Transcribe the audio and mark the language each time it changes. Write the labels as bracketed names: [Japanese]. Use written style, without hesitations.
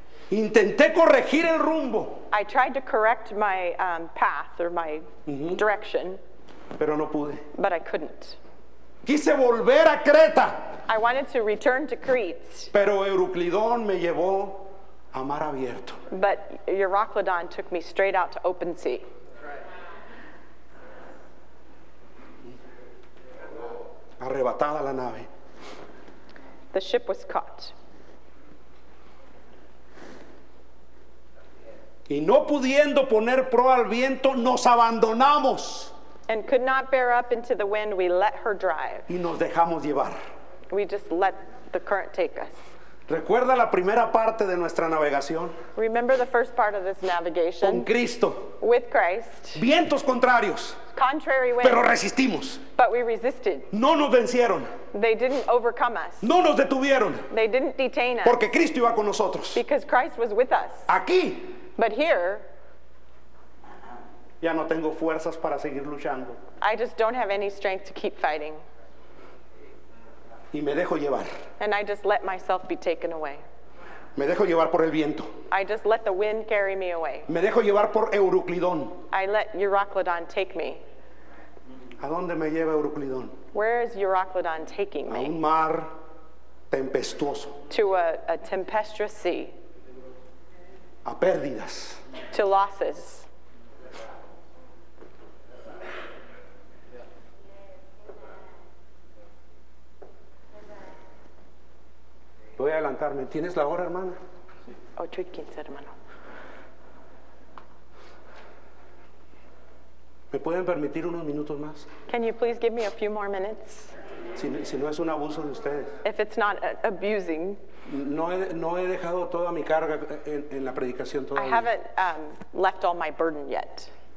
[Spanish] Intenté corregir el rumbo. [English] I tried to correct my path or my direction. [Spanish] Pero no pude. [English] But I couldn't. [Spanish] Quise volver a Creta. [English] I wanted to return to Crete. [Spanish] Pero Euroclidón me llevó a mar abierto. [English] But Euroclidón took me straight out to open sea. [Spanish] Arrebatada la nave. [English] The ship was caught. [Spanish] Y no pudiendo poner proa al viento, nos abandonamos. [English] And could not bear up into the wind, we let her drive. [Spanish] Y nos dejamos llevar. [English] We just let the current take us. [Spanish] ¿Recuerda la primera parte de nuestra navegación? [English] Remember the first part of this navigation. [Spanish] Con Cristo. [English] With Christ. [Spanish] Vientos contrarios. [English] Contrary winds. [Spanish] Pero resistimos. [English] But we resisted. [Spanish] No nos vencieron. [English] They didn't overcome us. [Spanish] No nos detuvieron. [English] They didn't detain us. [Spanish] Porque Cristo iba con nosotros. [English] Because Christ was with us. [Spanish] Aquí. [English] But here. [Spanish] Ya no tengo fuerzas para seguir luchando. [English] I just don't have any strength to keep fighting. [Spanish] Y me dejo llevar. [English] And I just let myself be taken away. [Spanish] Me dejo llevar por el viento. [English] I just let the wind carry me away. [Spanish] Me dejo llevar por Euroclidón. [English] I let Euroclidón take me. [Spanish] ¿A dónde me lleva Euroclidón? [English] Where is Euroclidón taking me? [Spanish] A un mar tempestuoso. [English] To a tempestuous sea. [Spanish] A pérdidas. [English] To losses. [Spanish] Voy a adelantarme. ¿Tienes la hora, hermana? 8:15, hermano. ¿Me pueden permitir unos minutos más? [English] Can you please give me a few more minutes? [Spanish] Si no es un abuso de ustedes. [English] If it's not abusing. [Spanish] No he dejado toda mi carga en la predicación todavía. [English] I haven't left all my burden yet.